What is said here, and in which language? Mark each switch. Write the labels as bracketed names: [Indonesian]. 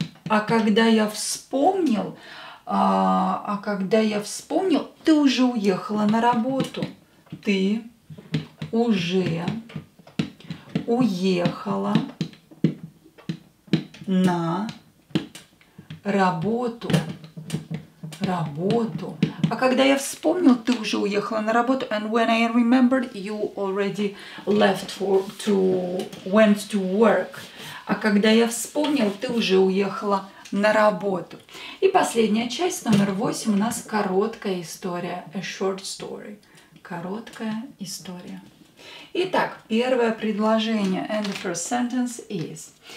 [Russian] А когда я вспомнил, ты уже уехала на работу. Ты уже уехала на работу. Работу. А когда я вспомнил, ты уже уехала на работу. [English] And when I remembered, you already left went to work. [Russian] А когда я вспомнил, ты уже уехала на работу. И последняя часть, номер 8, у нас короткая история. [English] A short story. [Russian] Короткая история. Итак, первое предложение. [English] And the first sentence is...